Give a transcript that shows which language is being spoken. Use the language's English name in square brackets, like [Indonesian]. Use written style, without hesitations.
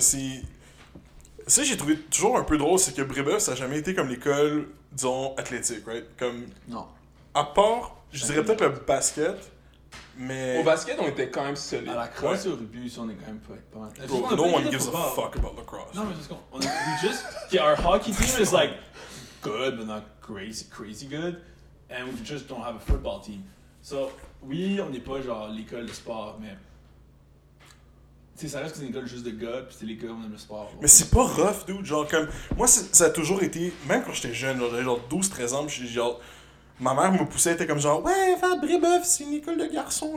[French] C'est j'ai trouvé toujours un peu drôle, c'est que Brébeuf, ça n'a jamais été comme l'école, disons, athlétique, right? Comme... Non. À part, je dirais peut-être le basket, mais... Au basket, on était quand même solide. À la crosse, ouais. Au rugby, on est quand même pas... [English] Bro, no one gives a fuck about lacrosse. [French] Non, mais c'est ce qu'on... [English] Yeah, our hockey team is like, good, but not crazy, crazy good. And we just don't have a football team. [French] So, oui, on n'est pas genre l'école de sport, mais... C'est ça reste que c'est une école juste de gars, puis c'est les gars, on aime le sport. Ouais. Mais c'est pas rough, dude. Genre, comme. Moi, ça a toujours été. Même quand j'étais jeune, j'avais genre 12-13 ans, puis genre. Ma mère me poussait, elle était comme genre. Ouais, va, Brébeuf, c'est une école de garçons.